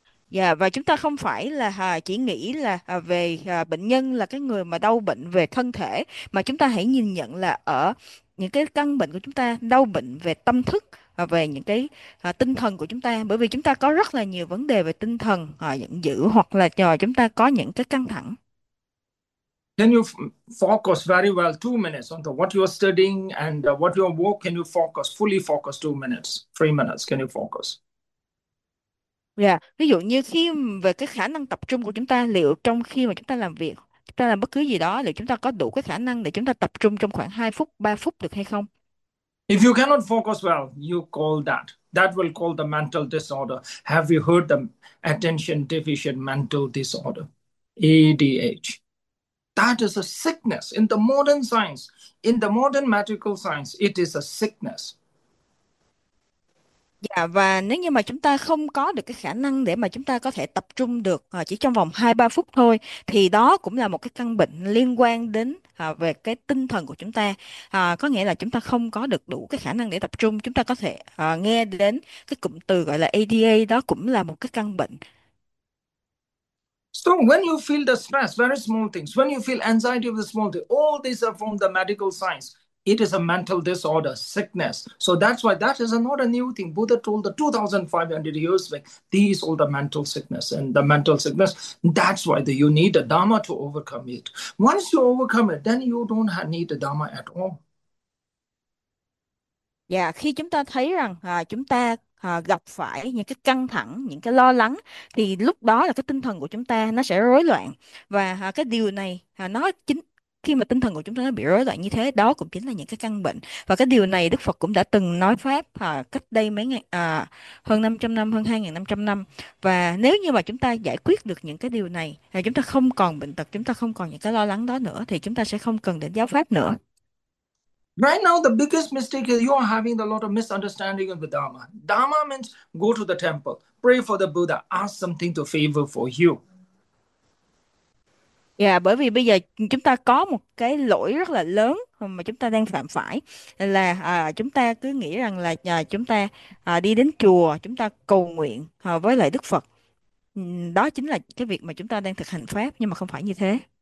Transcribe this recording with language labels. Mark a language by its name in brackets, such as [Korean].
[Vietnamese] Dạ, và chúng ta không phải là chỉ nghĩ là về bệnh nhân là cái người mà đau bệnh về thân thể, mà chúng ta hãy nhìn nhận là ở những cái căn bệnh của chúng ta đau bệnh về tâm thức và về những cái tinh thần của chúng ta, bởi vì chúng ta có rất là nhiều vấn đề về tinh thần giận dữ hoặc là cho chúng ta có những cái căng thẳng. [English] Can you focus very well 2 minutes on the what you are studying and what you are work? Can you focus, fully focus 2 minutes, 3 minutes? Can you focus? Yeah. [Vietnamese] Ví dụ như khi về cái khả năng tập trung của chúng ta, liệu trong khi mà chúng ta làm việc, chúng ta làm bất cứ gì đó, liệu chúng ta có đủ cái khả năng để chúng ta tập trung trong khoảng 2 phút, 3 phút được hay không? [English] If you cannot focus well, you call that. That will call the mental disorder. Have you heard the attention deficit mental disorder? ADH. That is a sickness. In the modern science, in the modern medical science, it is a sickness. [Vietnamese] Dạ, và nếu như mà chúng ta không có được cái khả năng để mà chúng ta có thể tập trung được chỉ trong vòng 2-3 phút thôi, thì đó cũng là một cái căn bệnh liên quan đến về cái tinh thần của chúng ta. Có nghĩa là chúng ta không có được đủ cái khả năng để tập trung. Chúng ta có thể nghe đến cái cụm từ gọi là ADA, đó cũng là một cái căn bệnh. [English] So when you feel the stress, very small things, when you feel anxiety of the small things, all these are from the medical science. It is a mental disorder, sickness. So that's why that is not a new thing. Buddha told the 2,500 years back, these all the mental sickness and the mental sickness, that's why you need a Dharma to overcome it. Once you overcome it, then you don't have need a Dharma at all. [Vietnamese] Và khi chúng ta thấy rằng chúng ta gặp phải những cái căng thẳng, những cái lo lắng, thì lúc đó là cái tinh thần của chúng ta nó sẽ rối loạn. Và cái điều này nó chính khi mà tinh thần của chúng ta nó bị rối loạn như thế, đó cũng chính là những cái căn bệnh. Và cái điều này Đức Phật cũng đã từng nói pháp cách đây mấy ngày hơn 500 năm, hơn 2.500 năm. Và nếu như mà chúng ta giải quyết được những cái điều này, thì chúng ta không còn bệnh tật, chúng ta không còn những cái lo lắng đó nữa, thì chúng ta sẽ không cần đến giáo pháp nữa. [English] Right now, the biggest mistake is you are having a lot of misunderstanding of the Dharma. Dharma means go to the temple, pray for the Buddha, ask something to favor for you. [Vietnamese] Yeah, bởi vì bây giờ chúng ta có một cái lỗi rất là lớn mà chúng ta đang phạm phải là chúng ta cứ nghĩ rằng là chúng ta đi đến chùa, chúng ta cầu nguyện với lại Đức Phật. Đó chính là cái việc mà chúng ta đang thực hành pháp, nhưng mà không phải như thế.